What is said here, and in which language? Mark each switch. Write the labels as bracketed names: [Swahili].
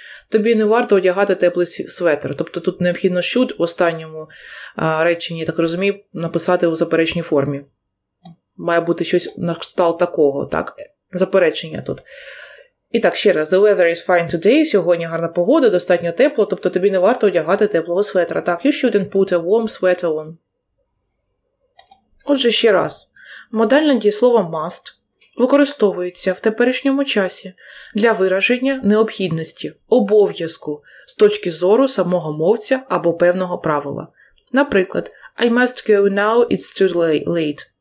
[Ukrainian] Тобі не варто одягати теплий светр. Тобто тут необхідно should в останньому реченні, я так розумію, написати у заперечній формі. Має бути щось на кшталт такого, так? Заперечення тут. І так, ще раз. [English] The weather is fine today. [Ukrainian] Сьогодні гарна погода, достатньо тепло. Тобто тобі не варто одягати теплого светра. [English] Так, you shouldn't put a warm sweater on. [Ukrainian] Отже, ще раз. Модальне дієслово must використовується в теперішньому часі для вираження необхідності, обов'язку з точки зору самого мовця або певного правила. Наприклад, [English] I must go now, it's too late.